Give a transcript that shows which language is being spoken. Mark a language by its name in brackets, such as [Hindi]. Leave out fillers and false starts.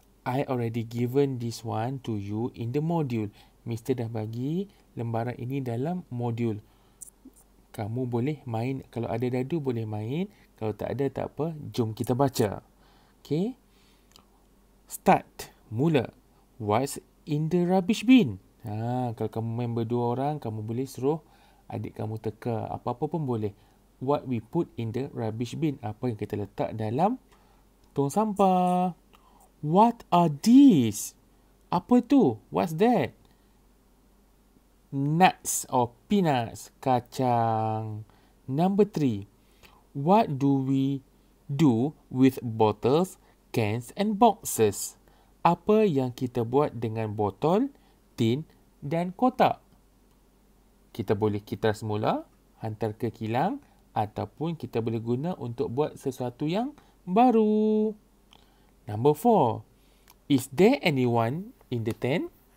[English] I already given this one to you in the module. [Malay] Mister dah bagi lembaran ini dalam modul. Kamu boleh main. Kalau ada dadu boleh main. Kalau tak ada tak apa. Jom kita baca. Okay. Start. Mula. [English] What's in the rubbish bin? [Malay] Ha, kalau kamu main berdua orang, kamu boleh suruh adik kamu teka. Apa-apa pun boleh. [English] What we put in the rubbish bin? [Malay] Apa yang kita letak dalam tong sampah. [English] What are these? [Malay] Apa tu? [English] What's that? Nuts or peanuts. Kacang. Number 3. What do we do with bottles, cans and boxes? [Malay] Apa yang kita buat dengan botol, tin dan kotak? Kita boleh kitar semula, hantar ke kilang ataupun kita boleh guna untuk buat sesuatu yang baru. [English] Number 4. Is there anyone in the tent?